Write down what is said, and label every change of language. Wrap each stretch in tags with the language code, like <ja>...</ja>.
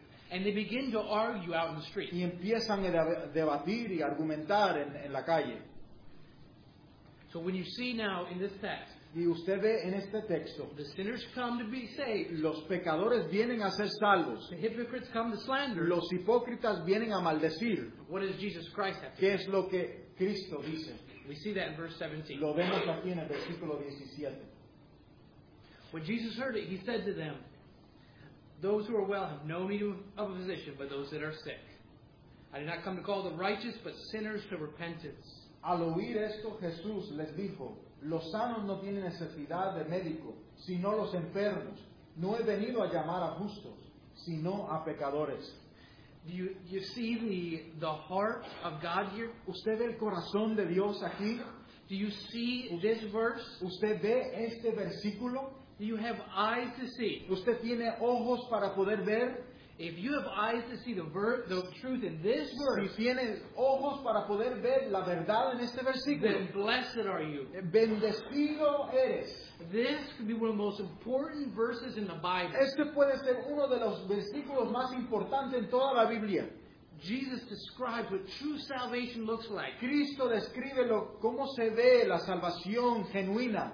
<en>And they begin to argue out in the street.</en> <es>Y empiezan a debatir y argumentar en la calle.</es> <en>So when you see now in this text,</en> <es>y usted ve en este texto,</es> <en>the sinners come to be saved.</en> <es>Los pecadores vienen a ser salvos.</es> <en>The hypocrites come to slander.</en> <es>Los hipócritas vienen a maldecir.</es> <en>What does Jesus Christ have to</en> <es>¿qué</es> <en>say?</en> <es>Es lo que Cristo dice?</es> <en>We see that in verse 17.</en> <es>Lo vemos aquí en el versículo 17.</es> <en>When Jesus heard it, he said to them, those who are well have no need of a physician, but those that are sick. I did not come to call the righteous, but sinners to repentance.</en> <es>Al oír esto, Jesús les dijo, los sanos no tienen necesidad de médico, sino los enfermos. No he venido a llamar a justos, sino a pecadores.</es> <en>Do you see the heart of God here?</en> <es>¿Usted ve el corazón de Dios aquí?</es> <en>Do you see this verse?</en> <es>¿Usted ve este versículo?</es> <en>Do you have eyes to see?</en> <es>¿Usted tiene ojos para poder ver?</es> <en>If you have eyes to see the truth in this verse,</en> <es>si tienes ojos para poder ver la verdad en este versículo,</es> <en>then blessed are you.</en> <es>Bendecido eres.</es> <en>This could be one of the most important verses in the Bible.</en> <es>Este puede ser uno de los versículos más importantes en toda la Biblia.</es> <en>Jesus describes what true salvation looks like.</en> <es>Cristo describe lo cómo se ve la salvación genuina.</es>